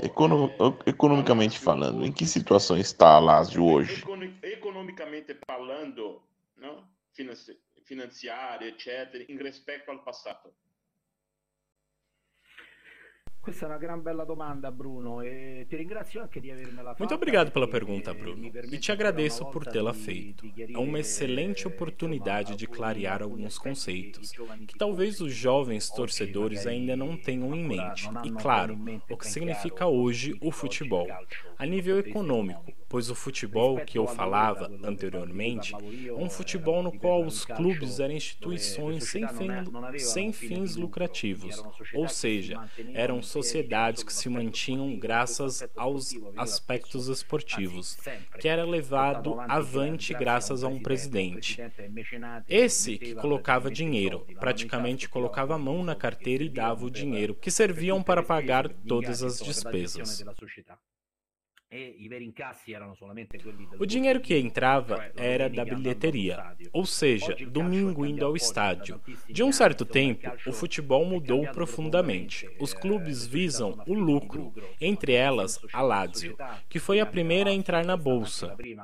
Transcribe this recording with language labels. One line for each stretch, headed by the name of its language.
Italian: Economicamente parlando, in che situazione sta a Lazio oggi? Economicamente parlando, no? Finanziario, eccetera, in rispetto al passato. Questa è una gran bella domanda, Bruno, e ti ringrazio anche di avermela fatta.
Portuguese: Muito obrigado pela pergunta, Bruno, e te agradeço por tê-la feito. É uma excelente oportunidade de clarear alguns conceitos que talvez os jovens torcedores ainda não tenham em mente. E claro, o que significa hoje o futebol a nível econômico, pois o futebol que eu falava anteriormente é um futebol no qual os clubes eram instituições sem fins lucrativos, ou seja, eram sociedades que se mantinham graças aos aspectos esportivos, que era levado avante graças a um presidente. Esse que colocava dinheiro, praticamente colocava a mão na carteira e dava o dinheiro, que serviam para pagar todas as despesas.
Italian: e i veri incassi erano solamente quelli del
Portuguese: o dinheiro
Italian: che
Portuguese: entrava era da bilheteria, ou seja, domingo indo ao estádio. De um certo tempo, o futebol mudou profundamente. Os clubes visam o lucro, entre elas a Lazio, que foi a primeira a entrar na bolsa.